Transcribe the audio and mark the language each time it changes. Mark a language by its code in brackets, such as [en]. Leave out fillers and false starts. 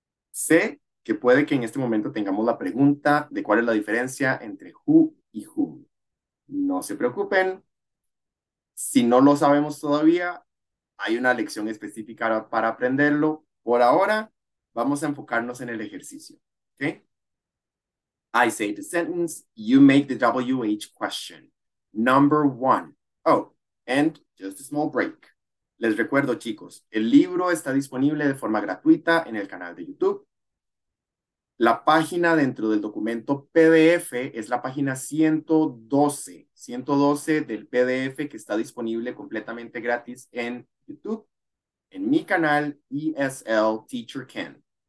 [es] Sé que puede que en este momento tengamos la pregunta de cuál es la diferencia entre who y whom. No se preocupen, si no lo sabemos todavía, hay una lección específica para aprenderlo. Por ahora, vamos a enfocarnos en el ejercicio. ¿Okay? [en] I say the sentence, you make the WH question. Number one. Oh, and just a small break. [es] Les recuerdo, chicos, el libro está disponible de forma gratuita en el canal de YouTube. La página dentro del documento PDF es la página 112, 112 del PDF que está disponible completamente gratis en YouTube, en mi canal ESL Teacher Ken.